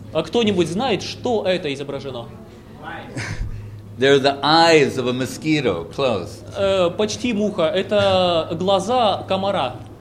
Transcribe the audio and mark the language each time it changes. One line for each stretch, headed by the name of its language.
Russian: А кто-нибудь знает, что это изображено?
English: They're the eyes of a mosquito, close.
Russian: Почти муха, это глаза комара.